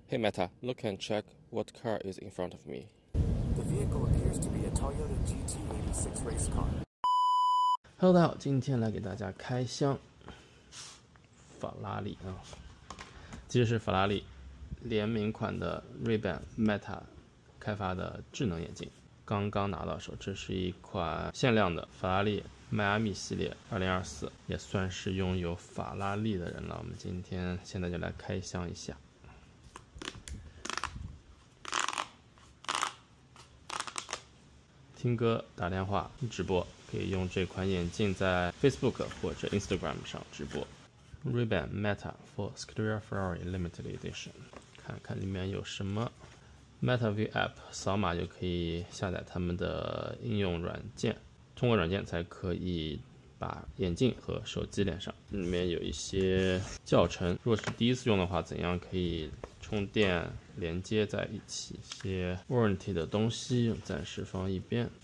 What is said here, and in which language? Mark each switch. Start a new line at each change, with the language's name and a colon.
English: Hey Meta, look and check what car is in front of me. The vehicle appears to be a Toyota GT86 race car.
Chinese: Hello, 大家好，今天来给大家开箱法拉利啊，其实是法拉利联名款的 Ray-Ban Meta 开发的智能眼镜，刚刚拿到手，这是一款限量的法拉利迈阿密系列2024，也算是拥有法拉利的人了。我们今天现在就来开箱一下。听歌、打电话、直播，可以用这款眼镜在 Facebook 或者 Instagram 上直播。 Ray-Ban Meta for Scuderia Ferrari Limited Edition， 看看里面有什么。 Meta View App 扫码就可以下载他们的应用软件，通过软件才可以把眼镜和手机连上。里面有一些教程，如果是第一次用的话，怎样可以充电连接在一起，一些 warranty 的东西暂时放一边。